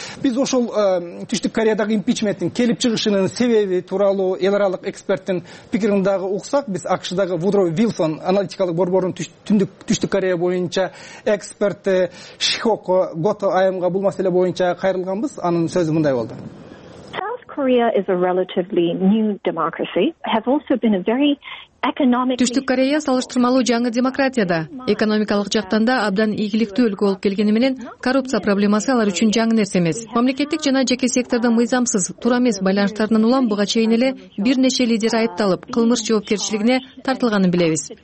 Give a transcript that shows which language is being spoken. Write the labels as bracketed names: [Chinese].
[Kyrgyz] Биз ошол Түштүк Кореядагы импичменттин келип чыгышынын себеби тууралуу эл аралык эксперттин пикирин дагы уксак, биз АКШдагы Вудро Вилсон аналитикалык борборунун Түштүк Корея боюнча эксперти Шихок Гото айымга бул маселе боюнча кайрылганбыз, анын сөзү мындай болду. [English] Korea is a relatively new democracy. Have also been a very [Kyrgyz] Түштүк Корея салыштырмалуу жаңы демократия да. Экономикалык жактан да абдан ийгиликтүү өлкө болуп келгени менен коррупция проблемасы алар үчүн жаңы нерсе эмес. Мамлекеттик жана жеке сектордун мыйзамсыз, туура эмес байланыштарынан улам буга чейин эле бир нече лидер айыпталып, кылмыш жоопкерчилигине тартылганын билебиз.